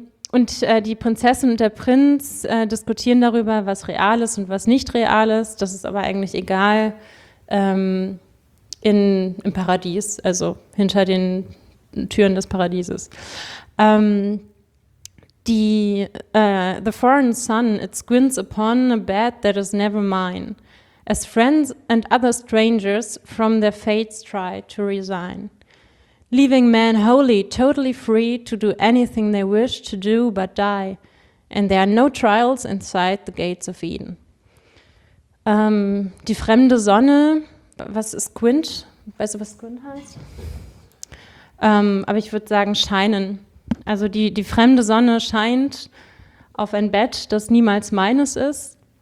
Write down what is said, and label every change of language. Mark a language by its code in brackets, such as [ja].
[de] Und die Prinzessin und der Prinz diskutieren darüber, was real ist und was nicht real ist. Das ist aber eigentlich egal im Paradies, also hinter den Türen des Paradieses. [en] The foreign sun, it squints upon a bed that is never mine, as friends and other strangers from their fates try to resign. Leaving men wholly, totally free to do anything they wish to do but die. And there are no trials inside the gates of Eden. [de] Die fremde Sonne, was ist Squint? Weißt du, was Squint heißt? Aber ich würde sagen, scheinen. Also die fremde Sonne scheint auf ein Bett, das niemals meines ist.